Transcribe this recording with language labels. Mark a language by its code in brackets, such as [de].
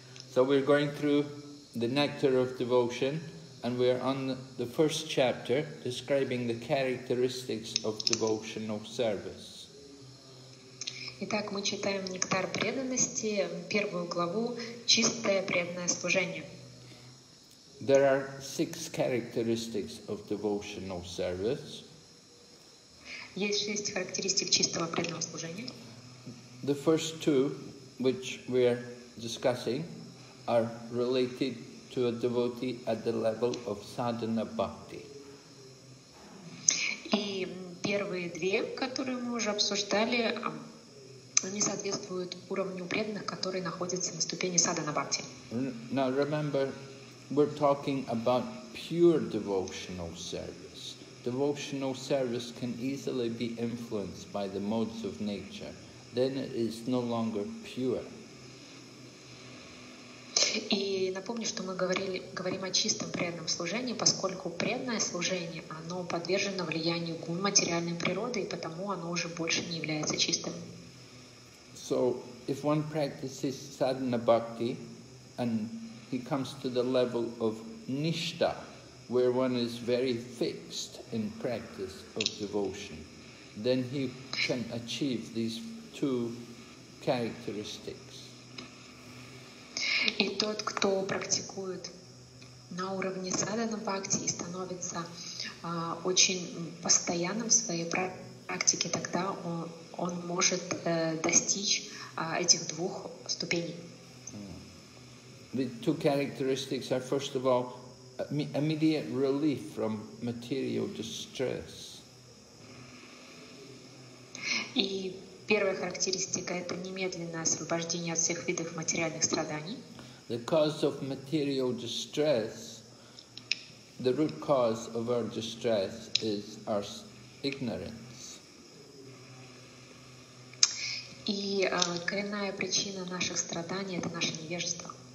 [en] So we're going through the Nectar of Devotion and we're on the first chapter describing the characteristics of devotional service. [ru] Итак, мы читаем «Нектар преданности», первую главу «Чистое преданное служение». [en] There are six characteristics of devotional service. [ru] Есть шесть характеристик чистого преданного служения. [en] The first two, which we are discussing, are related to a devotee at the level of sadhana bhakti. [ru] И первые две, которые мы уже обсуждали, они соответствуют уровню преданных, которые находятся на ступени садхана бхакти. [en] Now remember, we're talking about pure devotional service. Devotional service can easily be influenced by the modes of nature. Then it is no longer pure. [ru] И напомню, что мы говорим о чистом преданном служении, поскольку преданное служение, оно подвержено влиянию гун материальной природы, и потому оно уже больше не является чистым. [en] So, if one practices sadhana bhakti and he comes to the level of nishta, where one is very fixed in practice of devotion, then he can achieve these two characteristics. [ru] И тот, кто практикует на уровне sadhana bhakti и становится очень постоянным в своей практике, тогда он может достичь этих двух ступеней. [en] The two characteristics are, first of all, immediate relief from material distress. [ru] И первая характеристика — это немедленное освобождение от всех видов материальных страданий. [en] The cause of material distress, the root cause of our distress is our ignorance. [ru] И коренная причина наших страданий — это наше невежество.